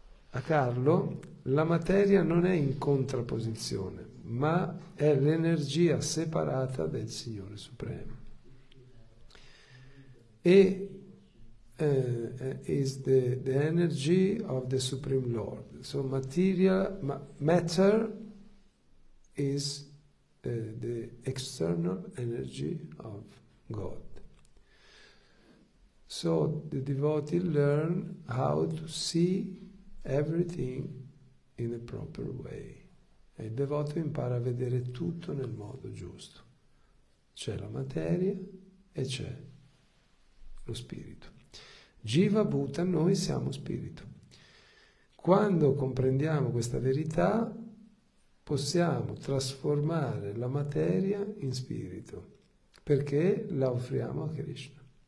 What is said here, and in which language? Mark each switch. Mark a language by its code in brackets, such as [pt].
[it] A Carlo, la materia non è in contrapposizione, ma è l'energia separata del Signore Supremo. [en] E is the energy of the Supreme Lord. So material, matter is the external energy of God. So the devotee learn how to see everything in a proper way. [it] E il devoto impara a vedere tutto nel modo giusto. C'è la materia e c'è lo spirito. Jiva Bhuta, noi siamo spirito. Quando comprendiamo questa verità, possiamo trasformare la materia in spirito, perché la offriamo a Krishna.